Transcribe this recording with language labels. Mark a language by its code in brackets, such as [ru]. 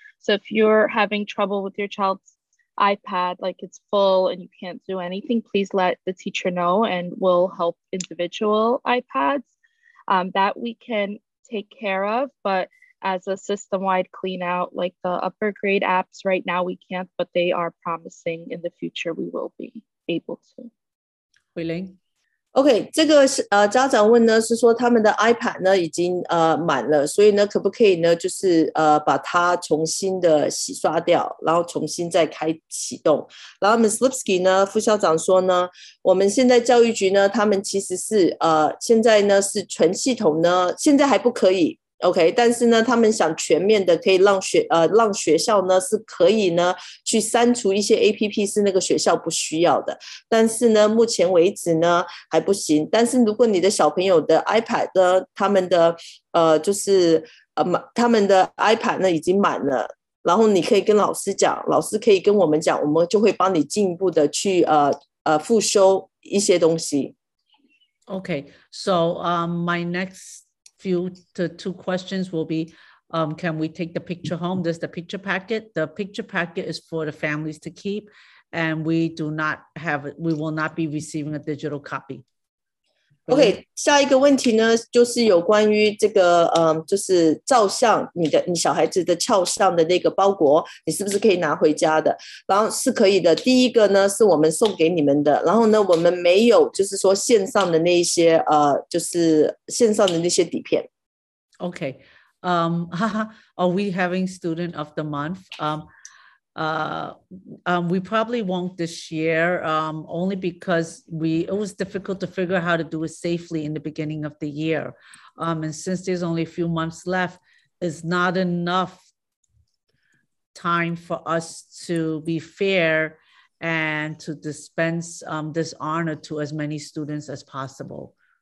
[en] So if you're having trouble with your child's iPad, like it's full and you can't do anything, please let the teacher know and we'll help individual iPads. That we can take care of, but as a system-wide clean out, like the upper grade apps right now we can't, but they are promising in the future we will be able to. Huiling? [zh] OK, 这个家长问呢是说他们的 iPad 呢已经满了，所以呢可不可以呢就是把它重新的洗刷掉，然后重新再开启动。然后 Ms. Lipsky 呢副校长说呢，我们现在教育局呢他们其实是现在呢是全系统呢现在还不可以。 OK， 但是呢他们想全面的可以让学校呢是可以呢去删除一些 APP 是那个学校不需要的，但是呢目前为止呢还不行。但是如果你的小朋友的 iPad 呢他们的就是他们的 iPad 呢已经满了，然后你可以跟老师讲，老师可以跟我们讲，我们就会帮你进一步的去复修一些东西。 [en] OK, so my next two questions will be, can we take the picture home? There's the picture packet. The picture packet is for the families to keep, and we will not be receiving a digital copy. [zh] OK, 下一个问题呢就是有关于这个就是照相你小孩子的翘相的那个包裹你是不是可以拿回家的，然后是可以的，第一个呢是我们送给你们的，然后呢我们没有就是说线上的那些就是线上的那些底片。 OK, [en] Are we having student of the month? We probably won't this year, only because it was difficult to figure out how to do it safely in the beginning of the year. And since there's only a few months left, it's not enough time for us to be fair and to dispense this honor to as many students as possible.